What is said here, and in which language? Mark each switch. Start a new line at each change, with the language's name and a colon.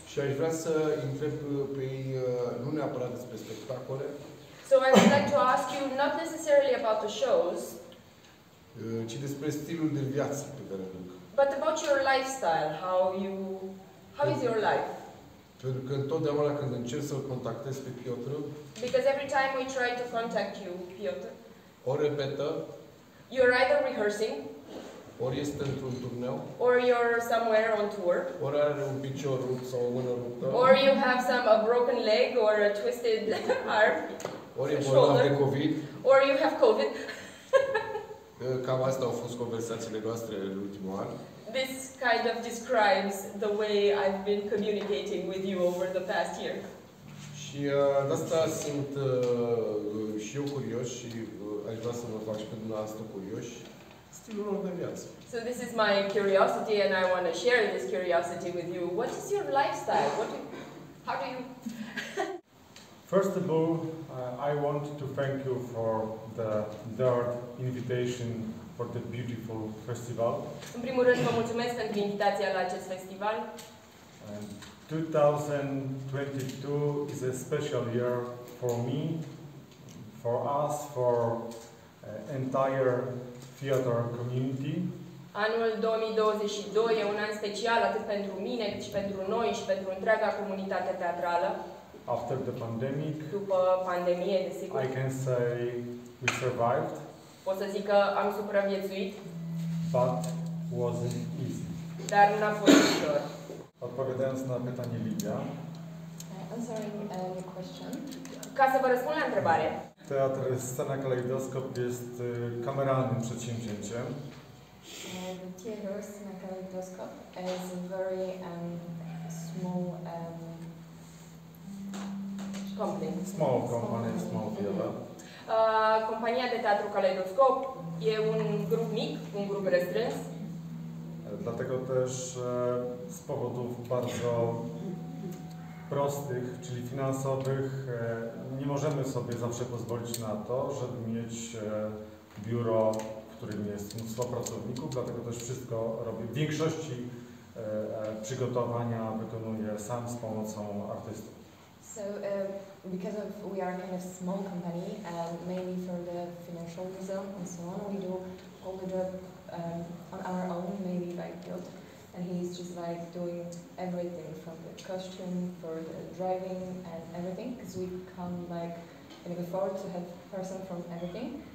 Romanian: Și aș vrea să întreb pe ei, nu neapărat despre spectacole.
English: So I would like to ask you not necessarily about the shows.
Romanian: Ci despre stilul de viață pe care îl duc.
English: But about your lifestyle, how is your life?
Romanian: Pentru că întotdeauna când încerc să-l contactez pe Piotr.
English: Because every time we try to contact you, Piotr.
Romanian: O repetă.
English: You're either rehearsing.
Romanian: Ori este într-un turneu.
English: Or you're somewhere on tour.
Romanian: Ori are un picior rupt sau o mână ruptă.
English: Or you have a broken leg or a twisted arm.
Romanian: Ori e bolnav de COVID.
English: Or you have COVID.
Romanian: Cam astea au fost conversațiile noastre în ultimul an.
English: This kind of describes the way I've been communicating with you over the past year.
Romanian: Și de asta sunt și eu curios și aș vrea să vă fac și pe dumneavoastră curioși stilul lor de viață.
English: So this is my curiosity and I want to share this curiosity with you. What is your lifestyle? First of all, I want to thank you for the third invitation for the beautiful festival.
Romanian: În primul rând, vă mulțumesc pentru invitația la acest festival.
English: 2022 is a special year for me, for us, for entire theater community.
Romanian: Anul 2022 e un an special atât pentru mine, cât și pentru noi și pentru întreaga comunitate teatrală.
English: After the pandemic,
Romanian: după pandemie, desigur,
English: I can say we survived.
Romanian: Pot să zic că am supraviețuit.
English: But wasn't easy.
Romanian: Dar nu a fost ușor.
Polish: Odpowiadając na pytanie Lidia.
English: Answering your question.
Romanian: Ca să vă răspund la întrebare.
Polish: Teatr Scena Caleidoscop jest kameralnym przedsięwzięciem.
English: The theater Scena Caleidoscop is a very small company. Small company.
Romanian: Compania de teatru Caleidoscop e un grup mic, un grup restrâns.
Polish: Dlatego też z powodów bardzo prostych, czyli finansowych, nie możemy sobie zawsze pozwolić na to, żeby mieć biuro, w którym jest mnóstwo pracowników. Dlatego też wszystko robię. W większości przygotowania wykonuję sam z pomocą artystów.
English: So because of we are kind of small company, mainly for the financial reason and so on, we do all the job on our own, maybe by guilt. And he's just like doing everything from the costume for the driving and everything, because we come like in before to have person from everything.